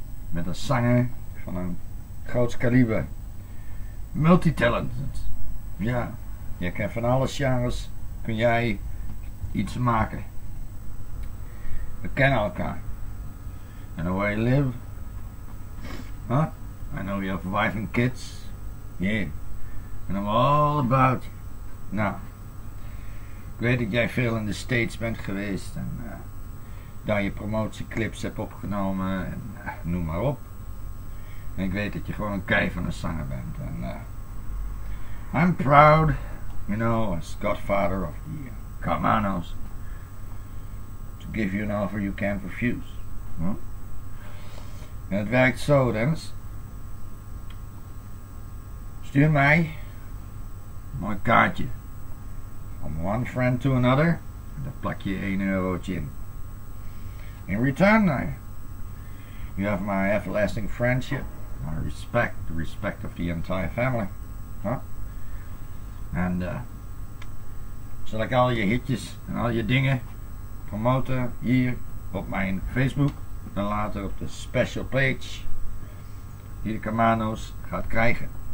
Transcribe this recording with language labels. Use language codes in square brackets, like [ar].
[nl] Met een zanger van een groot kaliber, multitalented, ja, je kan van alle genres kun jij iets maken, we kennen elkaar, [en] I know where you live, huh? I know you have wife and kids, yeah, and I'm all about you, nou. [nl] Ik weet dat jij veel in de States bent geweest en daar je promotieclips hebt opgenomen en noem maar op. En ik weet dat je gewoon een kei van een zanger bent. [en] En I'm proud, you know, as godfather of the Carmanos, to give you an offer you can't refuse. [nl] Huh? En het werkt zo, Dennis. Stuur mij een mooi kaartje. [en] From one friend to another, [nl] en dan plak je 1 eurotje in. [en] In return, you have my everlasting friendship, my respect, the respect of the entire family. Huh? [nl] And zal ik al je hitjes en al je dingen promoten hier op mijn Facebook en later op de special page die de Carmanos gaat krijgen.